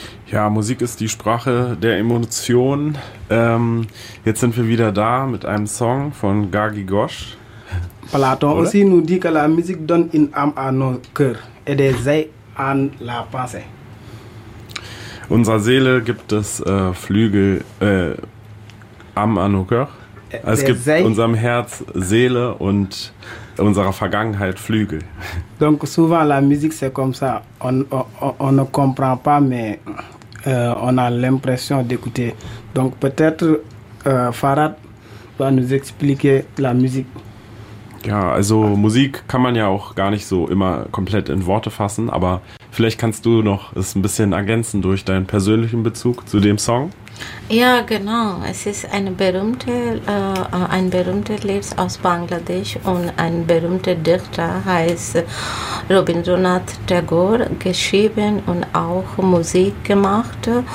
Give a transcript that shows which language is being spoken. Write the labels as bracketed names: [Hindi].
[German] Ja, Musik ist die Sprache der Emotionen. Jetzt sind wir wieder da mit einem Song von Gagi Ghosh. [French] Platon aussi nous dit que la musique donne une âme à nos cœurs et des ailes à la pensée. [German] Unserer Seele gibt es Flügel, [French] âme à nos cœurs. [German] Es gibt unserem Herz Seele und unserer Vergangenheit Flügel. [French] Donc souvent la musique c'est comme ça. On ne comprend pas, mais on a l'impression d'écouter. Donc peut-être Farad va nous expliquer la musique. [German] Ja, also Musik kann man ja auch gar nicht so immer komplett in Worte fassen, aber vielleicht kannst du noch es ein bisschen ergänzen durch deinen persönlichen Bezug zu dem Song. Ja, genau. Es ist ein berühmter Lied aus Bangladesch und ein berühmter Dichter heißt Rabindranath Tagore, geschrieben und auch Musik gemacht.